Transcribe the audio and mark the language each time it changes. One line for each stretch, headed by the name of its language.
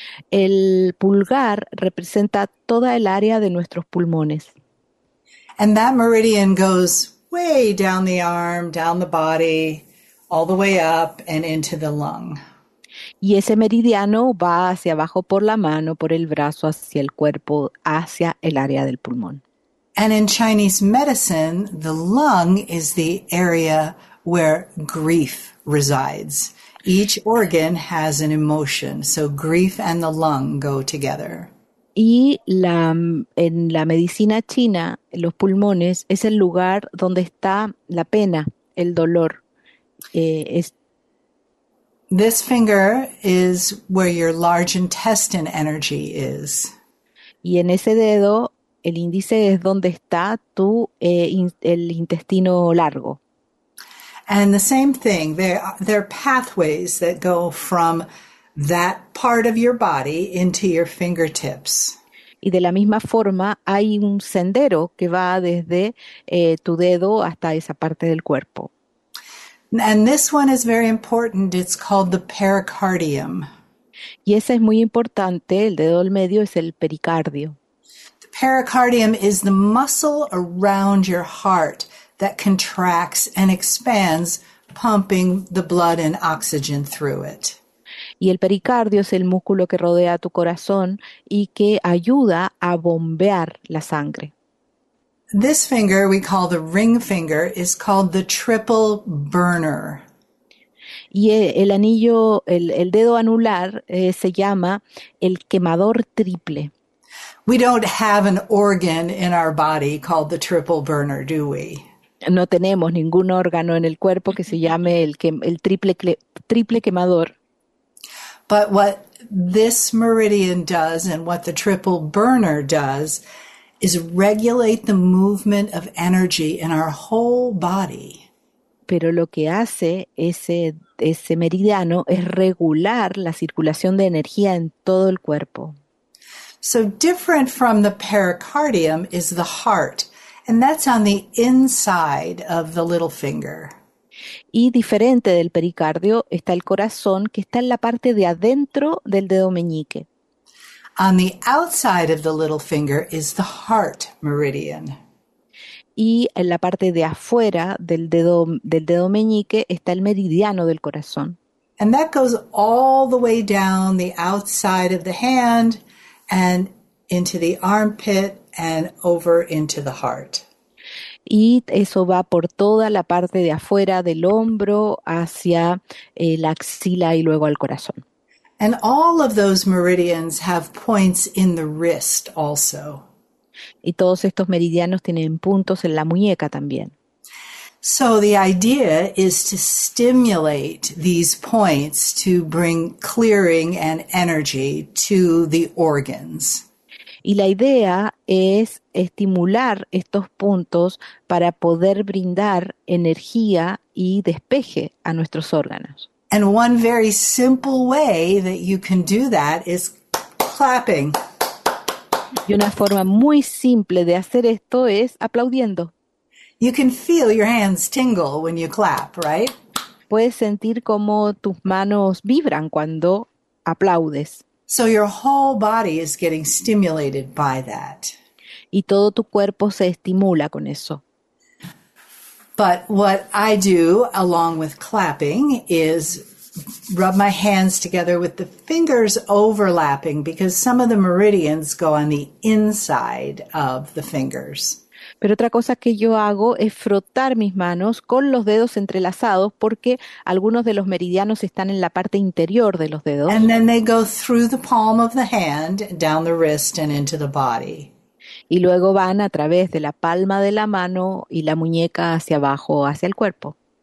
Spanish: El pulgar representa toda el área de nuestros pulmones.
English: And that meridian goes way down the arm, down the body, all the way up and into the lung.
Spanish: Y ese meridiano va hacia abajo por la mano, por el brazo, hacia el cuerpo, hacia el área del pulmón.
English: And in Chinese medicine, the lung is the area where grief resides. Each organ has an emotion, so grief and the lung go together.
Spanish: Y en la medicina china, los pulmones es el lugar donde está la pena, el dolor.
English: This finger is where your large intestine energy is.
Spanish: Y en ese dedo, el índice es donde está tu el intestino largo.
English: And the same thing, there are pathways that go from that part of your body into your fingertips.
Spanish: Y de la misma forma, hay un sendero que va desde tu dedo hasta esa parte del cuerpo.
English: And this one is very important. It's called the pericardium.
Spanish: Y ese es muy importante. El dedo del medio es el pericardio.
English: The pericardium is the muscle around your heart that contracts and expands, pumping the blood and oxygen through it.
Spanish: Y el pericardio es el músculo que rodea tu corazón y que ayuda a bombear la sangre.
English: This finger we call the ring finger is called the triple burner.
Spanish: Y el anillo, el dedo anular se llama el quemador triple.
English: We don't have an organ in our body called the triple burner, do we?
Spanish: No tenemos ningún órgano en el cuerpo que se llame el triple quemador.
English: But what this meridian does and what the triple burner does is regulate the movement of energy in our whole body.
Spanish: Pero lo que hace ese meridiano es regular la circulación de energía en todo el cuerpo.
English: So different from the pericardium is the heart, and that's on the inside of the little finger.
Spanish: Y diferente del pericardio está el corazón, que está en la parte de adentro del dedo meñique.
English: On the outside of the little finger is the heart meridian.
Spanish: Y en la parte de afuera del dedo meñique está el meridiano del corazón.
English: And that goes all the way down the outside of the hand and into the armpit and over into the heart.
Spanish: Y eso va por toda la parte de afuera del hombro hacia la axila y luego al corazón.
English: And all of those meridians have points in the wrist also.
Spanish: Y todos estos meridianos tienen puntos en la muñeca también.
English: So the idea is to stimulate these points to bring clearing and energy to the organs.
Spanish: Y la idea es estimular estos puntos para poder brindar energía y despeje a nuestros órganos.
English: And one very simple way that you can do that is clapping.
Spanish: Y una forma muy simple de hacer esto es aplaudiendo.
English: You can feel your hands tingle when you clap, right?
Spanish: Puedes sentir cómo tus manos vibran cuando aplaudes.
English: So your whole body is getting stimulated by that.
Spanish: Y todo tu cuerpo se estimula con eso.
English: But what I do along with clapping is rub my hands together with the fingers overlapping because some of the meridians go on the inside of the fingers.
Spanish: Pero otra cosa que yo hago es frotar mis manos con los dedos entrelazados porque algunos de los meridianos están en la parte interior de los dedos.
English: And then they go through the palm of the hand, down the wrist and into the body.
Spanish: Y luego van a través de la palma de la mano y la muñeca hacia abajo, hacia el cuerpo.